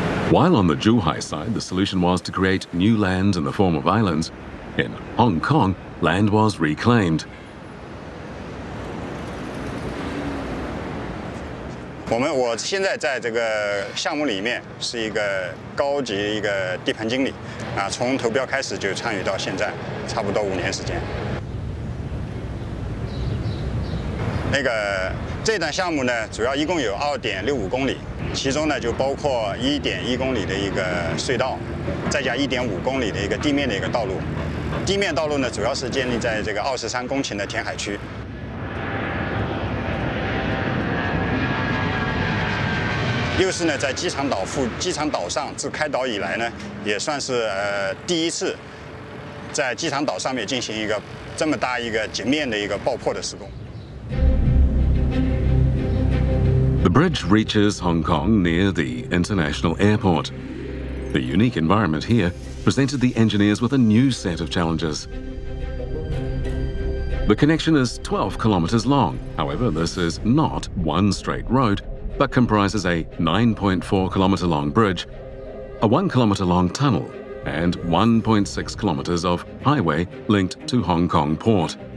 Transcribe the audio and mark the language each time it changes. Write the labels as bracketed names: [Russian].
[English] While on the Zhuhai side, the solution was to create new land in the form of islands, in Hong Kong, land was reclaimed. [Chinese] 我现在在这个项目里面是一个高级一个地盘经理，从投标开始就参与到现在，差不多五年时间。那个这段项目呢，主要一共有2.65公里。其中呢，就包括1.1公里的一个隧道，再加1.5公里的一个地面的一个道路。地面道路呢，主要是建立在这个23公顷的填海区。又是呢，在机场岛上自开岛以来呢，也算是第一次在机场岛上面进行一个这么大一个截面的一个爆破的施工。 [English] The bridge reaches Hong Kong near the international airport. The unique environment here presented the engineers with a new set of challenges. The connection is 12 kilometers long. However, this is not one straight road, but comprises a 9.4 kilometer long bridge, a 1 kilometer long tunnel, and 1.6 kilometers of highway linked to Hong Kong port.